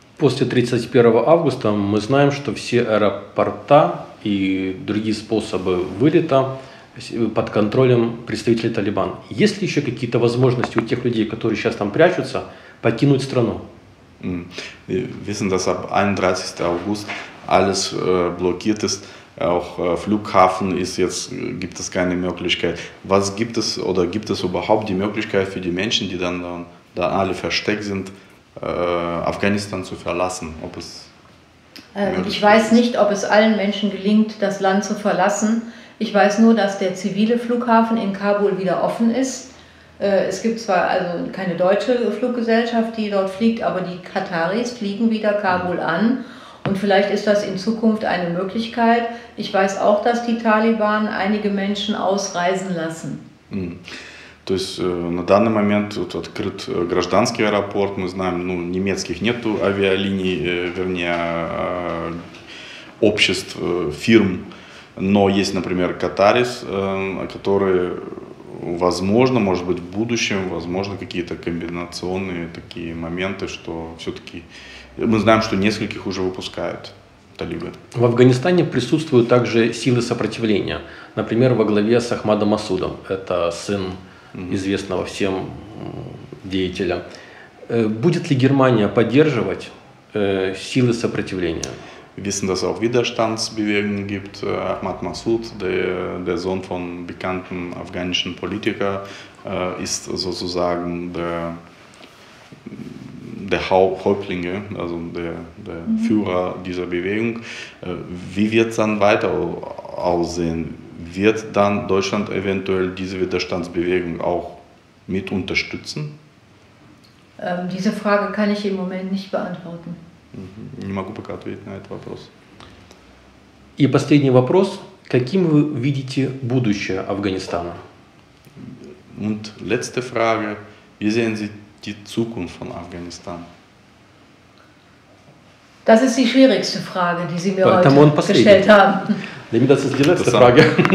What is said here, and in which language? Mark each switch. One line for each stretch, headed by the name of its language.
Russian: После 31 августа мы знаем, что все аэропорта и другие способы вылета под контролем представителей Талибан. Есть ли еще какие-то возможности у тех людей, которые сейчас там прячутся, покинуть страну?
German: Wir wissen, dass ab 31. August alles blockiert ist, auch Flughafen ist jetzt, gibt es keine Möglichkeit. Was gibt es oder gibt es überhaupt die Möglichkeit für die Menschen, die dann alle versteckt sind, Afghanistan zu verlassen? Ob es ich weiß nicht, ob es allen Menschen gelingt, das Land zu verlassen. Ich weiß nur, dass der zivile Flughafen in Kabul wieder offen ist. Es gibt zwar also keine deutsche Fluggesellschaft, die dort fliegt, aber die Kataris fliegen wieder Kabul an. Und vielleicht ist das in Zukunft eine Möglichkeit. Ich weiß auch, dass die Taliban einige Menschen ausreisen lassen.
Russian: То есть на данный момент открыт гражданский аэропорт, мы знаем, ну, немецких нету авиалиний, вернее, обществ, фирм, но есть, например, Катарис, который, возможно, может быть, в будущем, возможно, какие-то комбинационные такие моменты, что все-таки, мы знаем, что нескольких уже выпускают. В Афганистане присутствуют также силы сопротивления, например, во главе с Ахмадом Масудом, это сын известного всем деятеля. Будет ли Германия поддерживать силы сопротивления?
German: Wissen, dass auch Widerstandsbewegungen gibt. Ahmad Massoud, der Sohn von bekannten afghanischen Politiker, ist sozusagen der Häuptlinge, also der Führer dieser Bewegung. Wie wird es dann weiter aussehen? Wird dann Deutschland eventuell diese Widerstandsbewegung auch mit unterstützen? Diese Frage kann ich im Moment nicht beantworten.
Russian: Не могу пока ответить на этот вопрос. И последний вопрос. Каким вы видите будущее Афганистана?
German: Und letzte Frage, wie sehen Sie die Zukunft von Afghanistan? Das ist die schwierigste Frage, die Sie mir heute gestellt haben. Nehmen wir das als die letzte Frage.